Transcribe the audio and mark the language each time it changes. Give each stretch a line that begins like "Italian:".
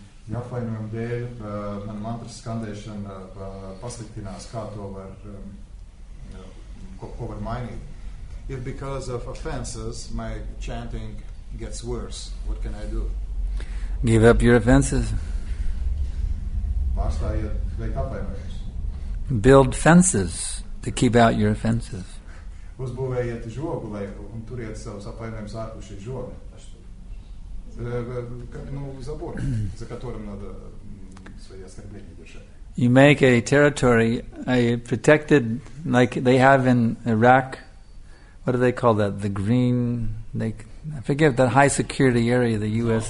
Latvian: jāpainojam dēļ man mantra skandēšana pasliktinās, kā to var ko var mainīt.
English: If because of offenses my chanting gets worse, what can I do? Give up your offenses.
Latvian: Pārstājiet veikt apvainojumus.
English: Build fences to keep out your offenses.
Latvian: Uzbūvējiet žogu, lai un turiet savus apvainojumus ārpus šī žoga.
English: You make a territory, a protected, like they have in Iraq, what do they call that, the green, I forget that high security area the U.S.